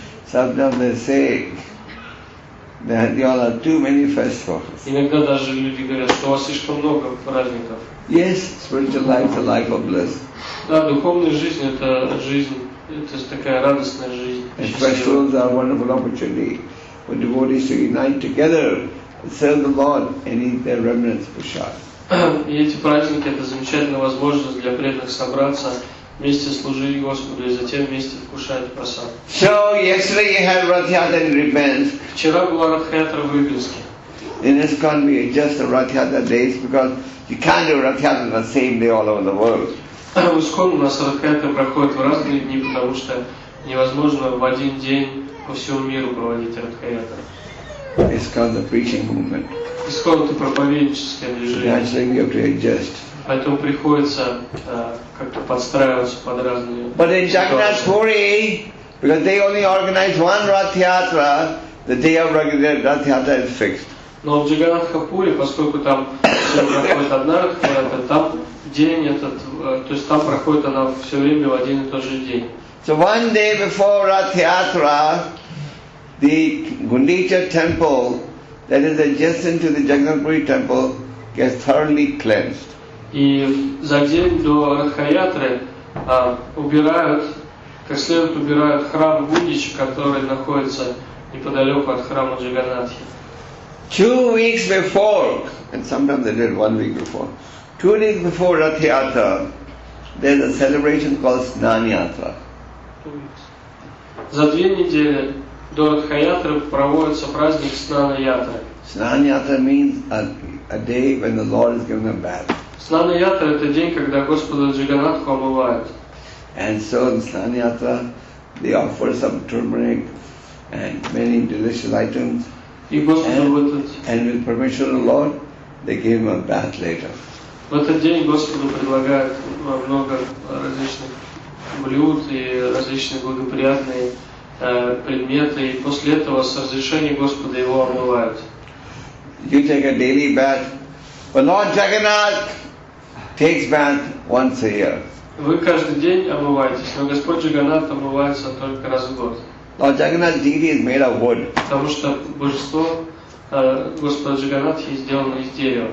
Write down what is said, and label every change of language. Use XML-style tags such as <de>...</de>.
<en>Sometimes they say that you all have too many festivals.</en> <ru>Иногда даже люди говорят, что у вас слишком много праздников.</ru> <en>Yes, spiritual life is a life of bliss.</en> <ru>Да, духовная жизнь — это жизнь. Это такая радостная жизнь.</ru> <en>And festivals are a wonderful opportunity for devotees to unite together and serve the Lord and eat their remnants prasad.</en> <ru>И эти праздники — это замечательная возможность для преданных собраться, вместе служить Господу и затем вместе вкушать прасад.</ru> <en>So yesterday you had Ратхаятра in Рибенск.</en> <ru>Вчера была Ратхаятра в Рибенске.</ru> <en>In this country, it's just the Ратхаятра days because you can't do Ратхаятра the same day all over the world.</en> <ru>В Искон у нас Ратхаятра проходит в разные дни, потому что невозможно в один день по всему миру проводить Ратхаятра.</ru> <en>It's called the preaching movement.</en> <ru>Искон — это проповедническое движение. Поэтому приходится как-то подстраиваться под разные ситуации.</ru> <en>But in Jagannath Puri, because they only organize one Ratyatra, the day of regular Ratyatra is fixed.</en> <ru>Но в Джаганнатхапуре, поскольку там все проходит одна Ратхаятра, там день этот, то есть там проходит она все время в один и тот же день.</ru> <en>So one day before Ratyatra, the Gundicha temple that is adjacent to the Jagannathpuri temple gets thoroughly cleansed.</en> <ru>И за день до Ратхаятры убирают, как следует убирают храм Гундича, который находится неподалеку от храма Джаганнатхи.</ru> <en>2 weeks before, and sometimes they did 1 week before, 2 days before Ratyatra, there's a celebration called Snanyatra. 2 weeks.</en> <ru>За две недели до Ратхаятры проводится праздник Снанаятра.</ru> <en>Снанаятра means a day when the Lord is given a bath.</en> <ru>Снанаятра — это день, когда Господа Джаганнатху омывают.</ru> <en>And so in Снанаятра, they offer some turmeric and many delicious items.</en> <ru>И Господу в этот...</ru> <en>And with permission of the Lord, they gave him a bath later.</en> <ru>В этот день Господу предлагают много различных блюд и различные благоприятные предметы, и после этого с разрешения Господа его омывают.</ru> <en>You take a daily bath, but Lord Jagannath takes bath once a year.</en> <ru>Вы каждый день омываетесь, но Господь Джаганнат омывается только раз в год.</ru> <en>Lord Jagannath's deity is made of wood.</en> <ru>Потому что божество Господа Джаганнатхи сделано из дерева.</ru>